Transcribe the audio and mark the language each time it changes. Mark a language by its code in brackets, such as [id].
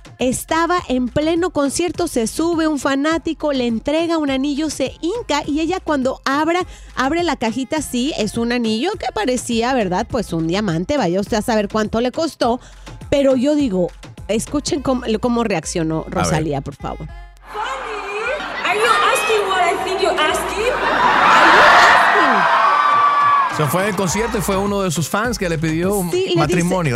[es] Estaba en pleno concierto, se sube un fanático, le entrega un anillo, se hinca y ella cuando abre la cajita, sí, es un anillo que parecía, ¿verdad? Pues un diamante, vaya usted a saber cuánto le costó. Pero yo digo, escuchen cómo reaccionó Rosalía, por favor. [en] Are you asking what I think you're asking? [es] Se fue en el concierto y fue uno de sus fans que le pidió matrimonio.